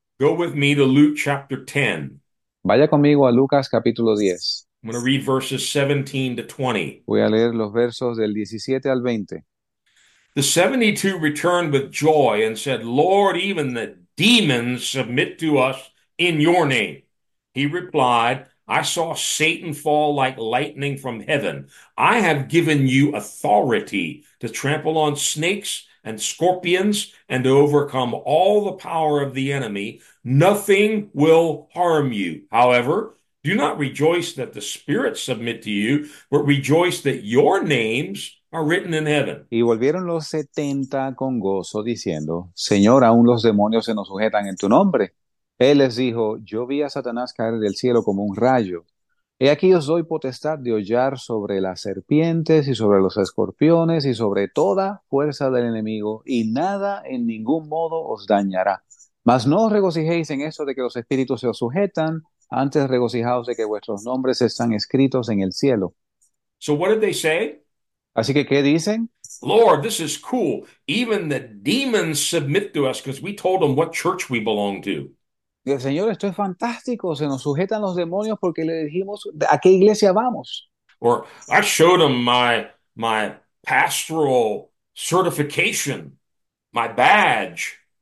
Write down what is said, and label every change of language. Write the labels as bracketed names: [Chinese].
[English] Go with me to Luke chapter 10. [Spanish] Vaya conmigo a Lucas capítulo 10. [English] I'm going to read verses 17 to 20. [Spanish] Voy a leer los versos del 17 al 20. [English] The 72 returned with joy and said, Lord, even the demons submit to us in your name. He replied, I saw Satan fall like lightning from heaven. I have given you authority to trample on snakes and scorpions and to overcome all the power of the enemy. Nothing will harm you. However, do not rejoice that the spirits submit to you, but rejoice that your names are written in heaven. [Spanish] Y volvieron los 70 con gozo, diciendo, Señor, aún los demonios se nos sujetan en tu nombre. Él les dijo, yo vi a Satanás caer del cielo como un rayo. He aquí os doy potestad de hollar sobre las serpientes y sobre los escorpiones y sobre toda fuerza del enemigo, y nada en ningún modo os dañará. Mas no os regocijéis en eso de que los espíritus se os sujetan, antes regocijaos de que vuestros nombres están escritos en el cielo. [English] So what did they say? [Spanish] Así que, ¿qué dicen? [English] Lord, this is cool. Even the demons submit to us because we told them what church we belong to. [Spanish] Y el Señor, esto es fantástico. Se nos sujetan los demonios porque le dijimos a qué iglesia vamos. [English] Or I showed them my pastoral certification, my badge.